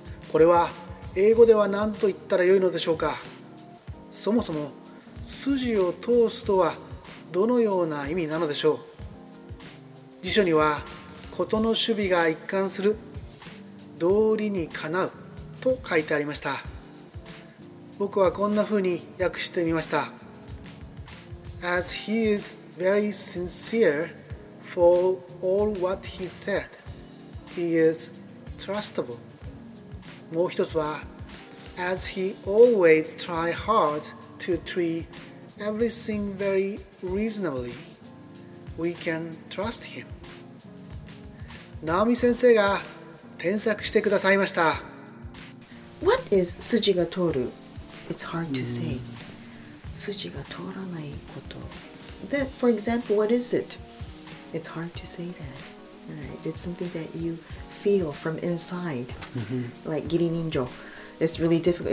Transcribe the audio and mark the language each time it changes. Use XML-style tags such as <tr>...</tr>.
<ja>これは英語では何と言ったらよいのでしょうか。そもそも筋を通すとはどのような意味なのでしょう。辞書には事の首尾が一貫する、道理にかなうと書いてありました。僕はこんなふうに訳してみました。</ja> <en>As he is very sincere for all what he said, he is trustable.</en> <ja>もう一つは</ja> <en>As he always try hard to treat everything very reasonably, we can trust him.</en> <ja>直美先生が添削してくださいました。</ja> <en>What is 筋が通る? It's hard to say.</en> <ja>筋が通らないこと。</ja> <en>That, for example, what is it? It's hard to say that. Right. It's something that you feel from inside. Like Giri Ninjo. It's really difficult.</en>